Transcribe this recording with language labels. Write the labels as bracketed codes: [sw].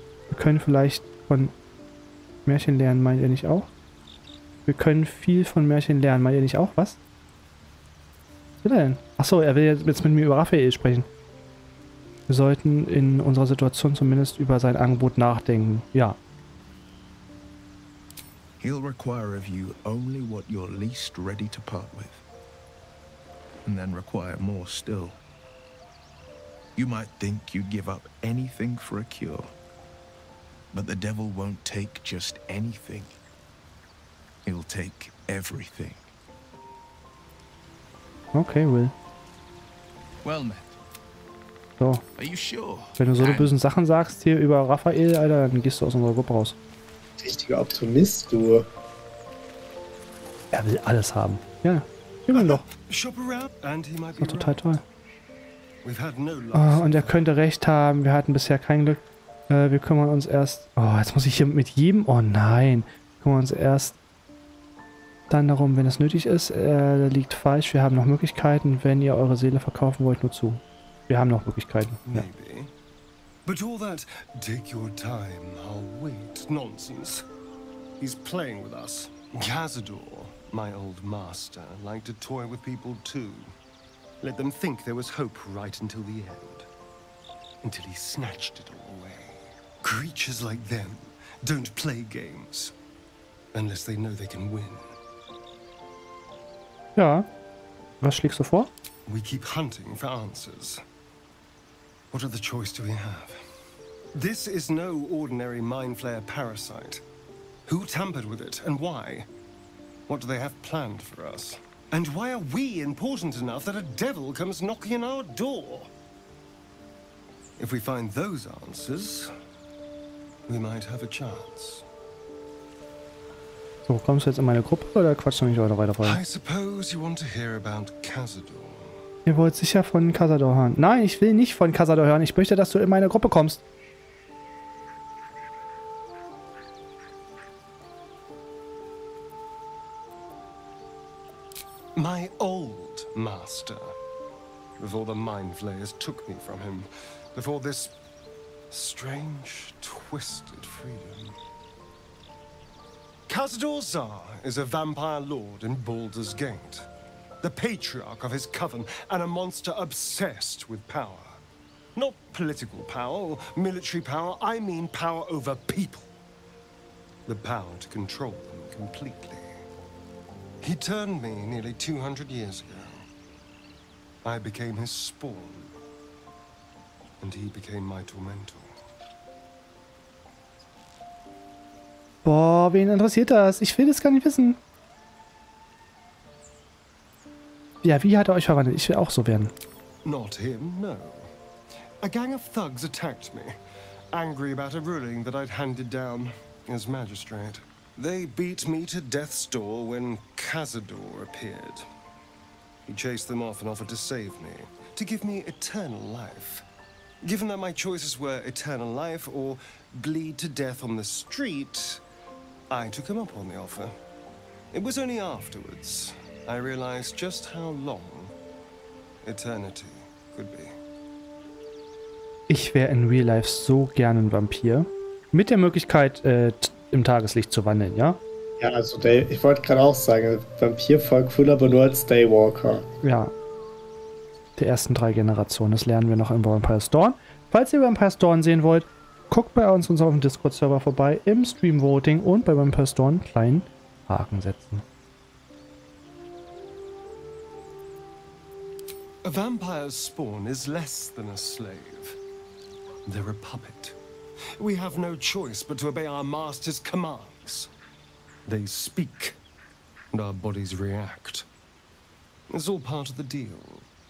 [de] Wir können vielleicht von Märchen lernen, meint ihr nicht auch? Wir können viel von Märchen lernen, meint ihr nicht auch? Was? Was will er denn? Achso, er will jetzt mit mir über Raphael sprechen. Wir sollten in unserer Situation zumindest über sein Angebot nachdenken. Ja. [en] He'll require of you only what you're least ready to part with. And then require more still. You might think you'd give up anything for a cure. But the devil won't take just anything. He'll take everything. Okay, Will. Well met. So. Are you sure? [de] Wenn du so die bösen Sachen sagst hier über Raphael, Alter, dann gehst du aus unserer Gruppe raus. Richtiger Optimist, du. Er will alles haben. Ja, immer noch. [en] Shop around and he might be right. [de] Total toll. [en] We've had no luck. [de] Oh, und er könnte recht haben, wir hatten bisher kein Glück. Wir kümmern uns erst. Oh, jetzt muss ich hier mit jedem. Oh nein. Wir kümmern uns erst dann darum, wenn es nötig ist. Er liegt falsch. Wir haben noch Möglichkeiten. Wenn ihr eure Seele verkaufen wollt, nur zu. Wir haben noch Möglichkeiten. [en] Maybe. But all that, take your time, I'll wait. Nonsense. He's playing with us. Cazador, my old master, liked to toy with people too. Let them think there was hope right until the end. Until he snatched it all away. Creatures like them don't play games unless they know they can win. [de] Ja, was schlägst du vor? [en] We keep hunting for answers. What other choice do we have? This is no ordinary mind flayer parasite. Who tampered with it and why? What do they have planned for us? And why are we important enough that a devil comes knocking on our door? If we find those answers, we might have a chance. [de] So, kommst du jetzt in meine Gruppe oder quatschst du mich heute weiter vor? [en] I suppose you want to hear about Cazador. [de] Ihr wollt sicher von Cazador hören. Nein, ich will nicht von Cazador hören. Ich möchte, dass du in meine Gruppe kommst. [en] My old master. Before the Mind Flayers took me from him. Before this strange, twisted freedom. Cazador Zar is a vampire lord in Baldur's Gate. The patriarch of his coven and a monster obsessed with power. Not political power or military power, I mean power over people. The power to control them completely. He turned me nearly 200 years ago. I became his spawn. And he became my tormentor. [de] Boah, wen interessiert das? Ich will das gar nicht wissen. Ja, wie hat er euch verwandelt? Ich will auch so werden. Not him, no. A gang of thugs attacked me. Angry about a ruling that I'd handed down as magistrate. They beat me to death's door when Cazador appeared. He chased them off and offered to save me. To give me eternal life. Given that my choices were eternal life or bleed to death on the street, I took him up on the offer. It was only afterwards I realized just how long eternity could be. Ich wäre in real life so gern ein Vampir. Mit der Möglichkeit, im Tageslicht zu wandeln, ja? Ja, also ich wollte gerade auch sagen, Vampir voll cool, aber nur als Daywalker. Ja. Der ersten drei Generationen, das lernen wir noch in Vampire's Dawn. Falls ihr Vampire's Dawn sehen wollt, guckt bei uns auf dem Discord-Server vorbei im Stream-Voting und bei Vampire's Dawn einen kleinen Haken setzen. [en] A vampire's spawn is less than a slave. They're a puppet. We have no choice but to obey our master's commands. They speak and our bodies react. It's all part of the deal.